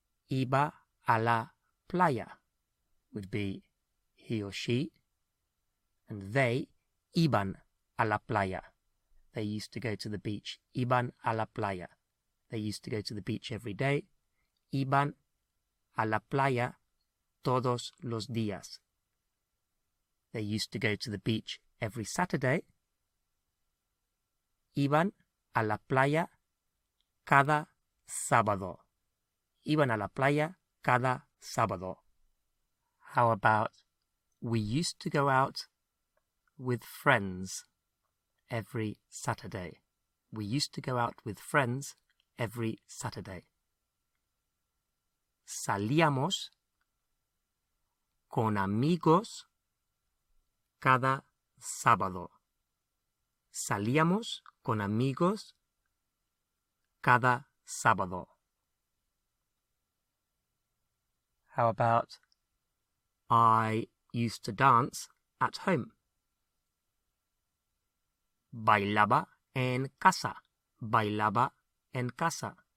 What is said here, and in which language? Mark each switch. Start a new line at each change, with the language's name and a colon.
Spanish: Iba a la playa
English: would be he or she, and they,
Spanish: iban a la playa.
English: They used to go to the beach.
Spanish: Iban a la playa.
English: They used to go to the beach every day.
Spanish: Iban a la playa todos los días.
English: They used to go to the beach every Saturday.
Spanish: Iban a la playa cada sábado. Iban a la playa cada sábado.
English: How about we used to go out with friends every Saturday? We used to go out with friends every Saturday.
Spanish: Salíamos con amigos cada sábado. Salíamos con amigos cada sábado.
English: How about I used to dance at home?
Spanish: Bailaba en casa. Bailaba en casa.